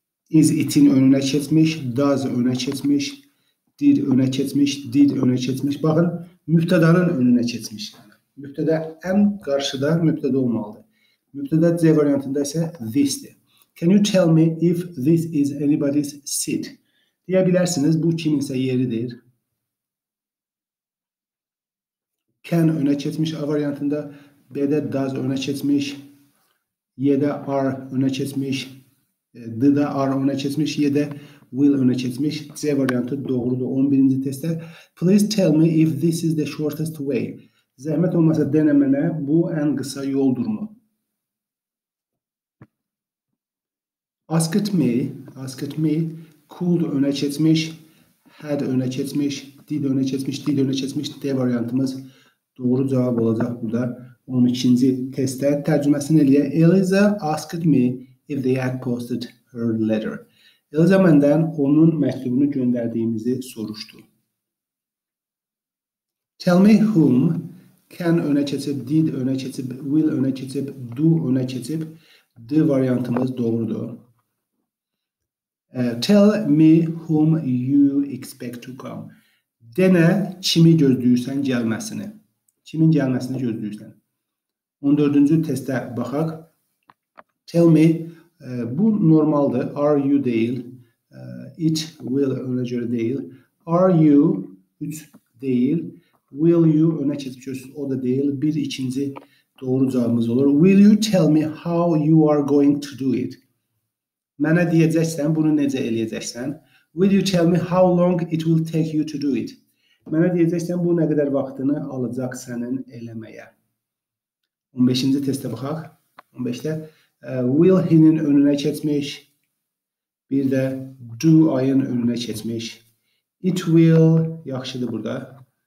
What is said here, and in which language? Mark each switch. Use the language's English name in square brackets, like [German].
[Azerbaijani] Is it'in önünə keçmiş, does önə keçmiş, did önə keçmiş, did önə keçmiş. Baxın, mübtədanın önünə keçmiş. Mübtədə ən qarşıda mübtədə olmalıdır. Mübtədə C variantında isə this-dir. [English] Can you tell me if this is anybody's seat? [Azerbaijani] Deyə bilərsiniz, bu kiminsə yeridir. Can önə keçmiş A variantında, B-də does önə keçmiş, Y-də are önə keçmiş. D-də are önə keçmiş, Y-də will önə keçmiş. C variantı doğrudur 11-ci testdə. [English] Please tell me if this is the shortest way. [Azerbaijani] Zəhmət olmasa denəmənə bu ən qısa yoldur mu? Asked me, could önə keçmiş, had önə keçmiş, did önə keçmiş, D variantımız doğru cavab olacaq burada. Onun ikinci testte tercümesini eləyək. [English] Eliza asked me if they had posted her letter. [Azerbaijani] Eliza məndən onun məktubunu göndərdiyimizi soruşdu. Tell me whom can önə keçib, did önə keçib, will önə keçib, do önə keçib. D variantımız doğrudur. [English] Tell me whom you expect to come. [Azerbaijani] Denə kimi gözləyirsən gəlməsini. Kimin gəlməsini gözləyirsən. 14-cü testə baxaq. Tell me, bu normaldır. Are you deyil. It will önə görə deyil. Are you, 3 deyil. Will you, önə keçib görürsünüz, o da deyil. Bir ikinci doğru cavabımız olur. [English] Will you tell me how you are going to do it? [Azerbaijani] Mənə deyəcəksən, bunu necə eləyəcəksən? [English] Will you tell me how long it will take you to do it? [Azerbaijani] Mənə deyəcəksən, bu nə qədər vaxtını alacaq sənin eləməyə? 15-ci testə baxaq. 15-də will he'nin önünə keçmiş. Bir də do I'ın önünə keçmiş. It will, yaxşıdır burada.